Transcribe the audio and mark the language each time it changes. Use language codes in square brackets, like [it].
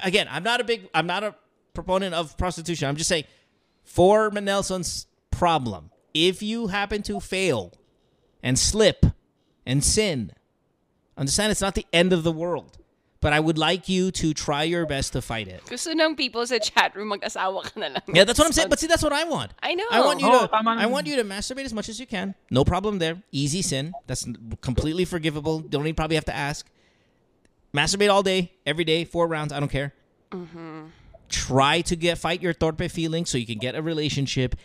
[en] Again, I'm not a proponent of prostitution. I'm just saying, for Manelson's problem, if you happen to fail and slip and sin, understand it's not the end of the world. But I would like you to try your best to fight it. [tl] Gusto ng people sa chat room mag-asawa ka na lang. [en] Yeah, that's what I'm saying. But see, that's what I want. I know. I want you to masturbate as much as you can. No problem there. Easy sin. That's completely forgivable. Don't even probably have to ask. Masturbate all day, every day, 4 rounds. I don't care. Mm-hmm. Try to fight your torpe feeling so you can get a relationship.